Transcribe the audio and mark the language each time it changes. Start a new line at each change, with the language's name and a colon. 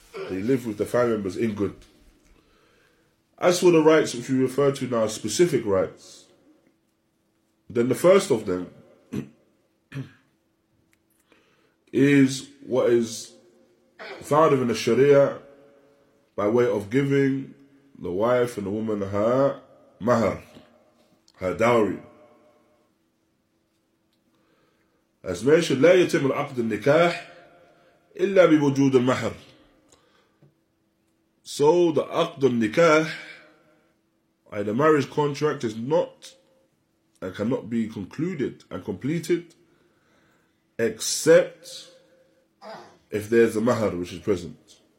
English: You live with the family members in good. As for the rights, which we refer to now as specific rights, then the first of them is what is found in the Sharia by way of giving the wife and the woman her mahar, her dowry. As mentioned,
Arabic: لا يتم العقد النكاح إلا بوجود المهر.
English: So the عقد النكاح, or the marriage contract, is not and cannot be concluded and completed except if there's a mahar which is present.